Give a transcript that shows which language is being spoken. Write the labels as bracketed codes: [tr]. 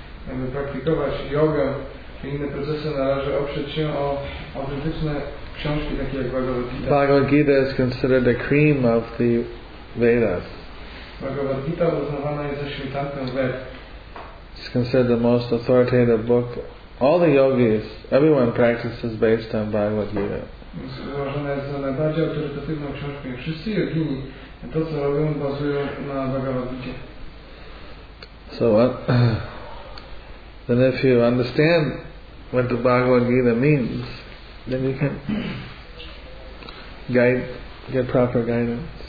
[pl] Aby praktykować yoga i inne procesy, należy oprzeć się o autentyczne książki takie jak Bhagavad Gita. [en] Bhagavad Gita is considered the cream of the Vedas. [pl] Bhagavad Gita uznawana jest za śmietankę Ved. [en] It's considered the most authoritative book. All the yogis, everyone practices based on Bhagavad Gita. [pl] Uważana jest za najbardziej autorytatywną książkę. Wszyscy jogini, to co robią, bazują na Bhagavad Gita. [en] So what? Then if you understand what the Bhagavad Gita means, then you can guide, get proper guidance.